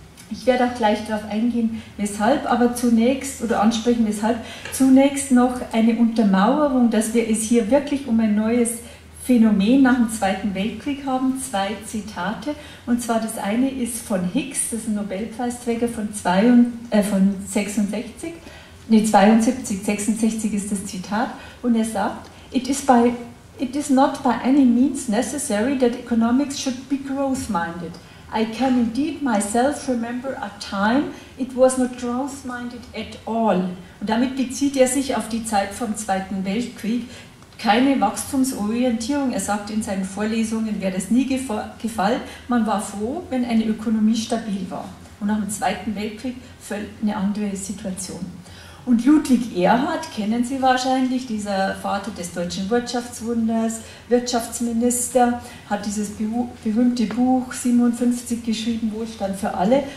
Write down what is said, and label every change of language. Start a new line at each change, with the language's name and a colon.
German: Ich werde auch gleich darauf eingehen, weshalb, aber zunächst, oder ansprechen, weshalb, zunächst noch eine Untermauerung, dass wir es hier wirklich um ein neues Phänomen nach dem Zweiten Weltkrieg haben, zwei Zitate, und zwar das eine ist von Hicks, das ist ein Nobelpreisträger von 66 ist das Zitat, und er sagt,
English: it is not by any means necessary that economics should be growth-minded. I can indeed myself remember a time it was not growth-minded at all.
German: Und damit bezieht er sich auf die Zeit vom Zweiten Weltkrieg. Keine Wachstumsorientierung, er sagt in seinen Vorlesungen, wäre das nie gefallen. Man war froh, wenn eine Ökonomie stabil war. Und nach dem Zweiten Weltkrieg eine andere Situation. Und Ludwig Erhard, kennen Sie wahrscheinlich, dieser Vater des deutschen Wirtschaftswunders, Wirtschaftsminister, hat dieses berühmte Buch 57 geschrieben, Wohlstand für alle.